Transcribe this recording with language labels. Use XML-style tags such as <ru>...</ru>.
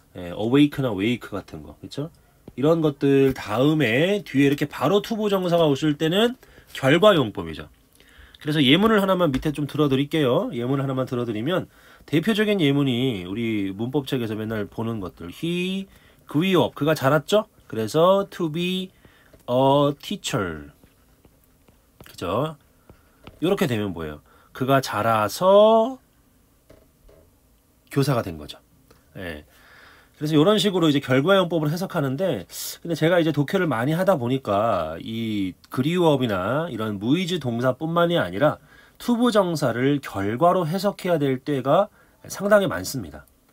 <ko>어웨이크나 웨이크 같은 거, 그쵸? 이런 것들 다음에 뒤에 이렇게 바로 투부정사가 오실 때는 결과용법이죠. 그래서 예문을 하나만 밑에 좀 들어드릴게요. 예문을 하나만 들어드리면, 대표적인 예문이 우리 문법책에서 맨날 보는 것들.</ko> <en>He grew up.</en> <ko>그가 자랐죠? 그래서</ko> <en>to be a teacher.</en> <ko>그죠? 이렇게 되면 뭐예요? 그가 자라서 교사가 된 거죠. 예. 그래서 이런 식으로 이제 결과용법을 해석하는데, 근데 제가 이제 독해를 많이 하다 보니까 이 그리우업이나 이런 무의지 동사뿐만이 아니라 투부정사를 결과로 해석해야 될 때가 상당히 많습니다.</ko>